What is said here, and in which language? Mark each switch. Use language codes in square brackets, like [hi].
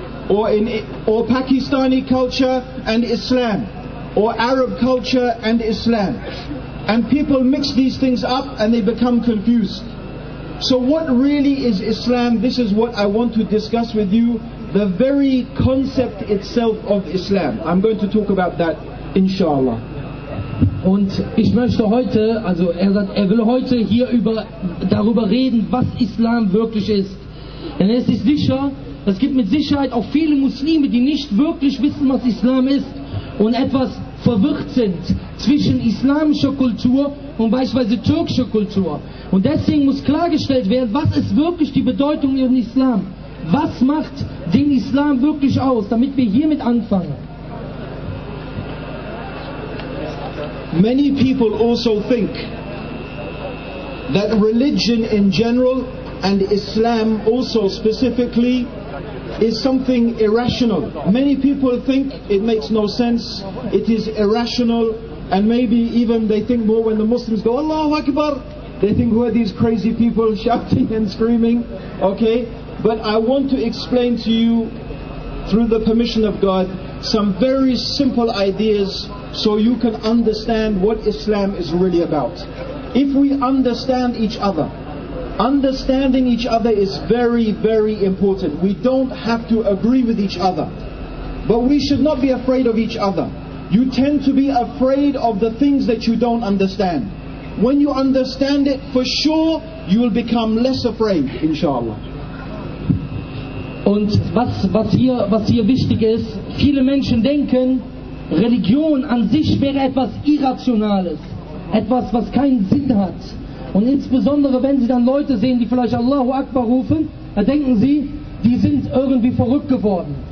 [en] Or Pakistani culture and Islam, or Arab culture and Islam. And people mix these things up and they become confused. So what really is Islam? This is what I want to discuss with you. The very concept itself of Islam. I'm going to talk about that, inshallah. [de] Und ich möchte heute, also er sagt, er will heute hier über, darüber reden, was Islam wirklich ist. Denn es ist sicher, es gibt mit Sicherheit auch viele Muslime, die nicht wirklich wissen, was Islam ist und etwas verwirrt sind zwischen islamischer Kultur und beispielsweise türkischer Kultur. Und deswegen muss klargestellt werden, was ist wirklich die Bedeutung von Islam? Was macht den Islam wirklich aus, damit wir hiermit anfangen? [en] Many people also think that religion in general and Islam also specifically is something irrational. Many people think it makes no sense, it is irrational, and maybe even they think more when the Muslims go Allahu Akbar, they think who are these crazy people shouting and screaming, okay? But I want to explain to you, through the permission of God, some very simple ideas so you can understand what Islam is really about. If we understand each other, understanding each other is very, very important. We don't have to agree with each other. But we should not be afraid of each other. You tend to be afraid of the things that you don't understand. When you understand it, for sure, you will become less afraid, inshallah. [de] Und was hier wichtig ist, viele Menschen denken, Religion an sich wäre etwas Irrationales, etwas, was keinen Sinn hat. Und insbesondere, wenn sie dann Leute sehen, die vielleicht Allahu Akbar rufen, dann denken sie, die sind irgendwie verrückt geworden.